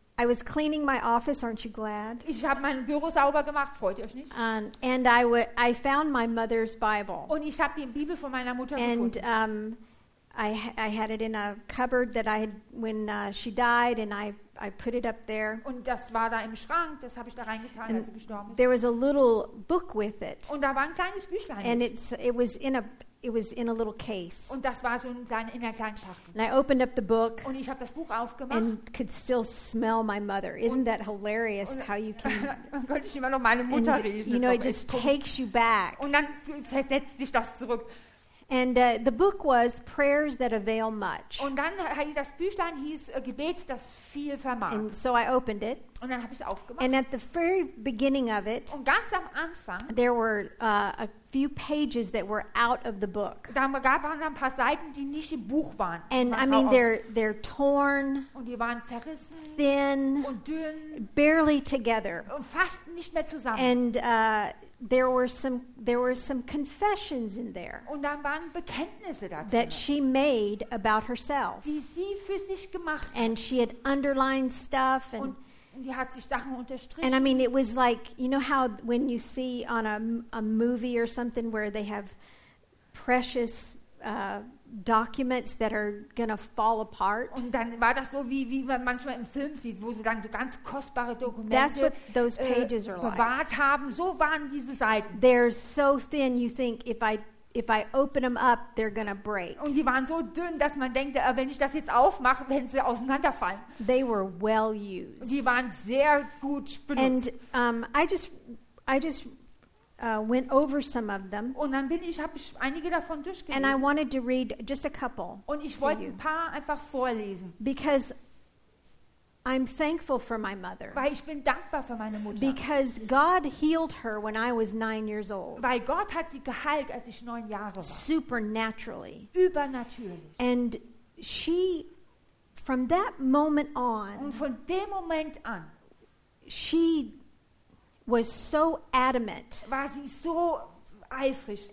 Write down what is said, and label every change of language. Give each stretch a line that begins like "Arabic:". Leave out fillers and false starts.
English: I was cleaning my office, aren't you glad?
German: Ich habe mein Büro sauber gemacht, freut ihr euch nicht?
English: And I found my mother's Bible.
German: Und ich habe die Bibel von meiner Mutter gefunden.
English: And I had it in a cupboard that I had when she died and I put it up there.
German: Und das war da im Schrank, das habe ich da reingetan, als sie gestorben ist.
English: There was a little book with it.
German: Und da war ein kleines Büchlein.
English: And it was in a little case.
German: Und das war so in einer kleinen Schachtel.
English: And I opened up the book.
German: Und ich habe das Buch aufgemacht.
English: And could still smell my mother. Isn't that hilarious how you can?
German: Und konnte ich immer noch meine Mutter riechen.
English: You know, it just takes you back.
German: Und dann versetzt sich das zurück.
English: And the book was Prayers That Avail Much.
German: Und dann hieß das Büchlein hieß Gebet, das viel vermag.
English: And so I opened it.
German: Und dann habe ich es aufgemacht.
English: And at the very beginning of it,
German: und ganz am Anfang,
English: there were a few pages that were out of the book.
German: Da waren ein paar Seiten, die nicht im Buch waren.
English: And
German: waren
English: I mean, they're torn.
German: Und die waren zerrissen.
English: Thin.
German: Und dünn.
English: Barely together.
German: Und fast nicht mehr zusammen.
English: And there were some confessions in there.
German: Und dann waren Bekenntnisse da drin.
English: That she made about herself.
German: Die sie für sich gemacht hat.
English: And she had underlined stuff and.
German: Und die hat sich Sachen unterstrichen.
English: And I mean, it was like, you know how when you see on a movie or something where they have precious documents that are gonna fall apart.
German: Und dann war das so wie man manchmal im Film sieht, wo sie dann so ganz kostbare Dokumente
English: that's what those pages are
German: bewahrt
English: like.
German: Haben. So waren diese Seiten.
English: They're so thin. You think if I open them up, they're gonna break.
German: Und die waren so dünn, dass man denkt, wenn ich das jetzt aufmache, werden sie auseinanderfallen.
English: They were well used.
German: Die waren sehr gut benutzt.
English: And I just went over some of them.
German: Und dann habe ich einige davon durchgelesen.
English: And I wanted to read just a couple.
German: Und ich wollte ein paar einfach vorlesen.
English: Because I'm thankful for my mother.
German: Weil ich bin dankbar für meine Mutter.
English: Because God healed her when I was 9 years old.
German: Weil Gott hat sie geheilt, als ich 9 Jahre war.
English: Supernaturally.
German: Übernatürlich.
English: And she, from that moment on.
German: Und von dem Moment an.
English: She was so adamant.
German: War sie so eifrig.